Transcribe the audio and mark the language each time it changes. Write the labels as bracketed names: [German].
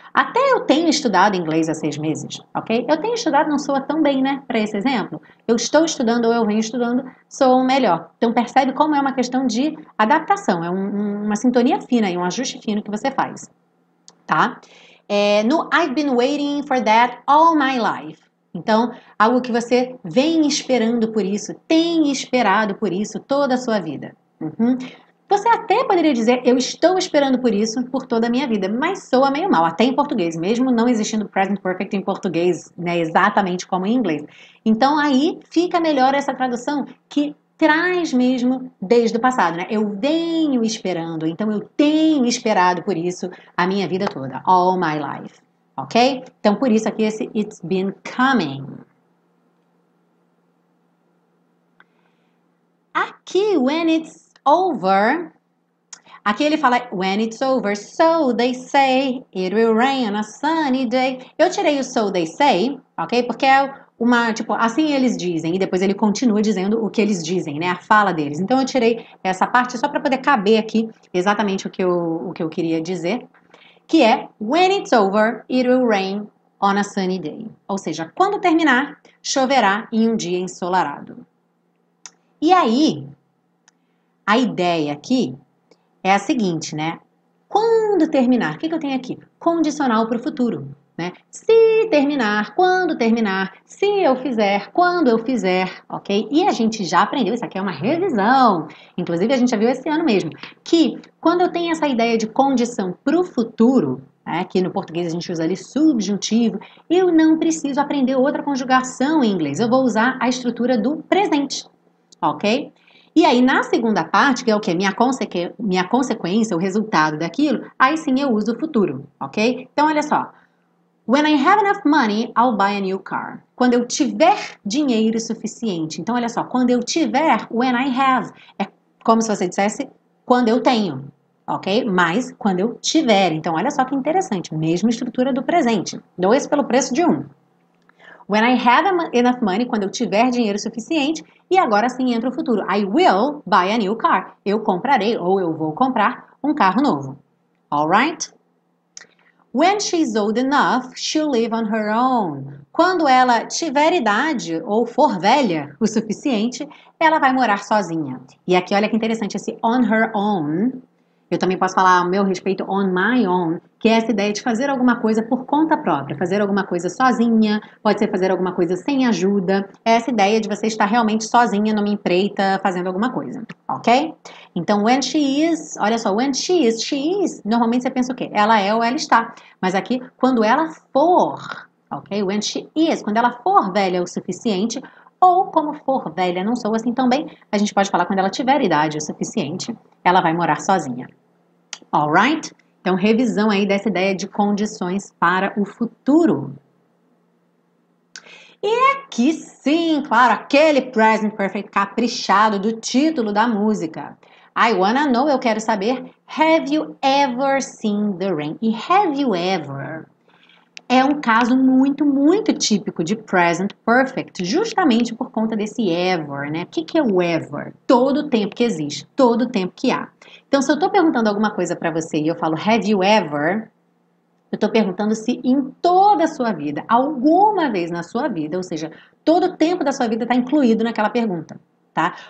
[Portuguese] Até eu tenho estudado inglês há 6 meses, ok? Eu tenho estudado, não soa tão bem, né, para esse exemplo. Eu estou estudando ou eu venho estudando, soa melhor. Então percebe como é uma questão de adaptação, é uma sintonia fina e um ajuste fino que você faz, tá? [English] No I've been waiting for that all my life. [Portuguese] Então, algo que você vem esperando por isso, tem esperado por isso toda a sua vida. Uhum. Você até poderia dizer, eu estou esperando por isso por toda a minha vida, mas soa meio mal, até em português, mesmo não existindo present perfect em português, né, exatamente como em inglês. Então, aí fica melhor essa tradução que traz mesmo desde o passado, né? Eu venho esperando, então eu tenho esperado por isso a minha vida toda, [English] all my life. [Portuguese] Ok? Então, por isso aqui esse [English] it's been coming. Aqui, when it's over, [Portuguese] aqui ele fala [English] when it's over, so they say it will rain on a sunny day. [Portuguese] Eu tirei o [English] so they say, [Portuguese] ok? Porque é uma, tipo, assim eles dizem, e depois ele continua dizendo o que eles dizem, né? A fala deles. Então, eu tirei essa parte só para poder caber aqui exatamente o que eu queria dizer. [English] Que é, when it's over, it will rain on a sunny day. [Portuguese] Ou seja, quando terminar, choverá em um dia ensolarado. E aí, a ideia aqui é a seguinte, né? Quando terminar, o que eu tenho aqui? Condicional para o futuro, né? Se terminar, quando terminar, se eu fizer, quando eu fizer, ok? E a gente já aprendeu, isso aqui é uma revisão, inclusive a gente já viu esse ano mesmo, que quando eu tenho essa ideia de condição para o futuro, né, que no português a gente usa ali subjuntivo, eu não preciso aprender outra conjugação em inglês, eu vou usar a estrutura do presente, ok? E aí, na segunda parte, que é o quê? Minha consequência, o resultado daquilo, aí sim eu uso o futuro, ok? Então, olha só. [English] When I have enough money, I'll buy a new car. [Portuguese] Quando eu tiver dinheiro suficiente. Então, olha só, quando eu tiver, [English] when I have. [Portuguese] É como se você dissesse, quando eu tenho, ok? Mas, quando eu tiver. Então, olha só que interessante. Mesma estrutura do presente. 2 pelo preço de 1. [English] When I have enough money, [Portuguese] quando eu tiver dinheiro suficiente. E agora sim entra o futuro. [English] I will buy a new car. [Portuguese] Eu comprarei ou eu vou comprar um carro novo. [English] All right? When she's old enough, she'll live on her own. [Portuguese] Quando ela tiver idade ou for velha o suficiente, ela vai morar sozinha. E aqui, olha que interessante, esse [English] on her own. [Portuguese] Eu também posso falar ao meu respeito, [English] on my own, [Portuguese] que é essa ideia de fazer alguma coisa por conta própria. Fazer alguma coisa sozinha, pode ser fazer alguma coisa sem ajuda. É essa ideia de você estar realmente sozinha numa empreita fazendo alguma coisa, ok? Então, [English] when she is, [Portuguese] olha só, when she is, normalmente você pensa o quê? Ela é ou ela está. Mas aqui, quando ela for, ok? [English] When she is, [Portuguese] quando ela for velha o suficiente, ou como for velha, não sou assim também, a gente pode falar quando ela tiver idade o suficiente, ela vai morar sozinha. Alright? Então, revisão aí dessa ideia de condições para o futuro. E aqui sim, claro, aquele present perfect caprichado do título da música. [English] I wanna know, [Portuguese] eu quero saber. [English] Have you ever seen the rain? E have you ever? [Portuguese] É um caso muito, muito típico de present perfect, justamente por conta desse ever, né? O que é o ever? Todo tempo que existe, todo tempo que há. Então, se eu estou perguntando alguma coisa para você e eu falo, [English] have you ever? [Portuguese] Eu estou perguntando se em toda a sua vida, alguma vez na sua vida, ou seja, todo o tempo da sua vida está incluído naquela pergunta, tá?